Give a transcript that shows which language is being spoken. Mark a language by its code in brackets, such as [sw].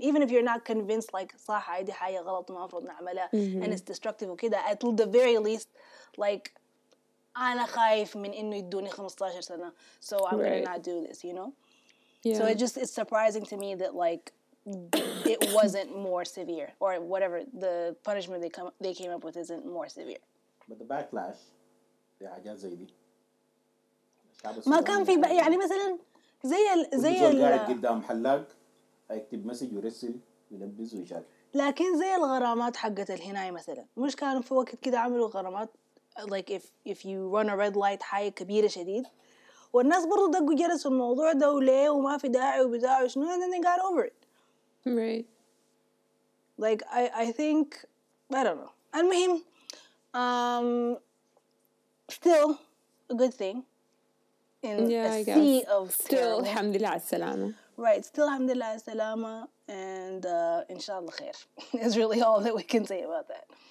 [en] Even if you're not convinced, like [ar] صح هذه حاجة غلط ما المفروض نعملها [en] and it's destructive, okay, that at the very least, like [ar] أنا خايف من إنه يدوني 15 سنة, [en] so I'm gonna not do this, you know. Yeah. So it's surprising to me that like it wasn't more severe or whatever the punishment they came up with isn't more severe. But the backlash, the [ar] حاجات زي دي. ما كان في يعني مثلاً زي ال. بيجوا قاعد قدام حلاق, هيكتب مسج ويرسل ويلبس ويشارك. لكن زي الغرامات حقت الهناي مثلاً, مش كانوا في وقت كده عملوا غرامات [en] like if you run a red light [ar] حاجة كبيرة شديد. والناس برضو دقوا جرس الموضوع ده وليه وما في داعي وبداعي وشنو [en] and then they got over it. Right. Like, I think, I don't know. [ar] المهم, [en] still a good thing in a sea of terror. Still, alhamdulillah, [ar] السلامة. [en] Right, still alhamdulillah, salama, and inshallah khair. Is really all that we can say about that.